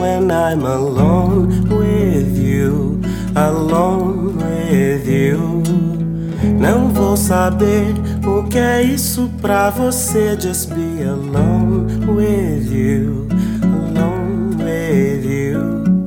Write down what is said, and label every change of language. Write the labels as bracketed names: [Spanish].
[English] And I'm alone with you, alone with you. [Portuguese] Não vou saber o que é isso pra você. [English] Just be alone with you, alone with you.